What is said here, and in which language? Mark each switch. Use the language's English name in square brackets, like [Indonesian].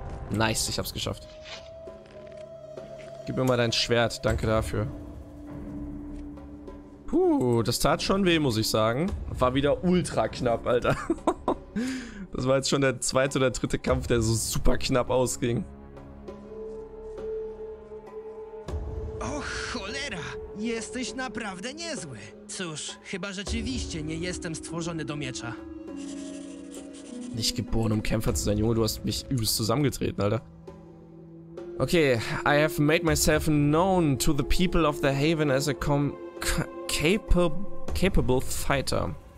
[German] Nice, ich hab's geschafft. Gib mir mal dein Schwert. Danke dafür. Puh, das tat schon weh, muss ich sagen. War wieder ultra knapp, Alter. Das war jetzt schon der zweite oder dritte Kampf, der so super knapp ausging. [Polish] Och, cholera! Jesteś naprawdę niezły. Cóż, chyba rzeczywiście nie jestem stworzony do miecza. [German] Nicht geboren, um Kämpfer zu sein, Junge. Du hast mich übelst zusammengetreten, Alter. [English] Okay, I have made myself known to the people of the Haven as a capable fighter.